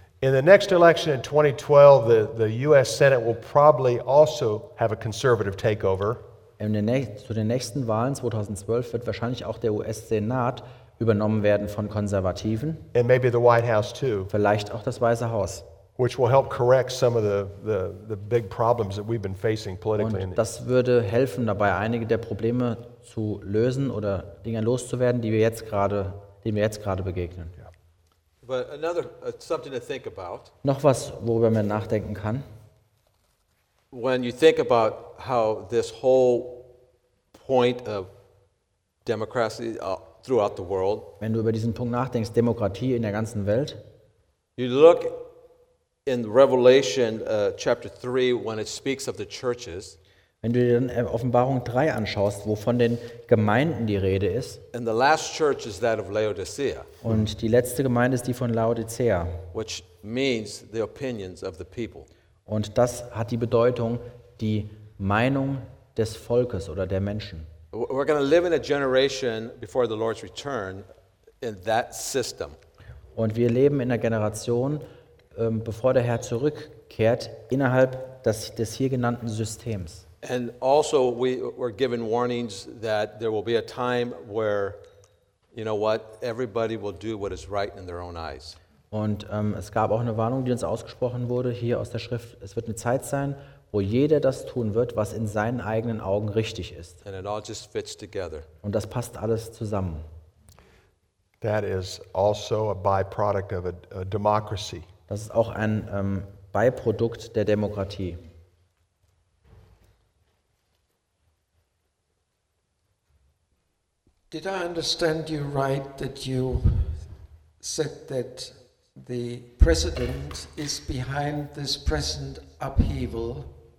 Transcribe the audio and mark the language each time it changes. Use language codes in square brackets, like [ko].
[en] In the next election in 2012, the U.S. Senate will probably also have a conservative takeover. [de] Zu den nächsten Wahlen 2012 wird wahrscheinlich auch der US-Senat übernommen werden von Konservativen. [en] And maybe the White House too. [de] Vielleicht auch das Weiße Haus. [en] Which will help correct some of the big problems that we've been facing politically. [de] Und das würde helfen dabei, einige der Probleme zu lösen oder Dinge loszuwerden, die wir jetzt gerade, denen wir jetzt gerade begegnen. [en] Yeah. But another something to think about. [de] Noch was, worüber man nachdenken kann. [en] When you think about how this whole point of democracy throughout the world. [de] Wenn du über diesen Punkt nachdenkst, Demokratie in der ganzen Welt. [en] You look in Revelation chapter 3 when it speaks of the churches. [de] Wenn du dir dann Offenbarung 3 anschaust, wo von den Gemeinden die Rede ist. [en] And the last church is that of Laodicea. [de] Und die letzte Gemeinde ist die von Laodicea. [en] Which means the opinions of the people. [de] Und das hat die Bedeutung, die Meinung des Volkes oder der Menschen. [en] We're going to live in a generation before the Lord's return in that system. [de] Und wir leben in einer Generation, bevor der Herr zurückkehrt, innerhalb des hier genannten Systems. [en] And also we're given warnings that there will be a time where, you know what, everybody will do what is right in their own eyes. [de] Und es gab auch eine Warnung, die uns ausgesprochen wurde, hier aus der Schrift, es wird eine Zeit sein, wo jeder das tun wird, was in seinen eigenen Augen richtig ist. [en] And it all just fits together. [de] Und das passt alles zusammen. [en] That is also a byproduct of a democracy. [de] Das ist auch ein Beiprodukt der Demokratie. [en] Did I understand you right that you said that the president is behind this present upheaval?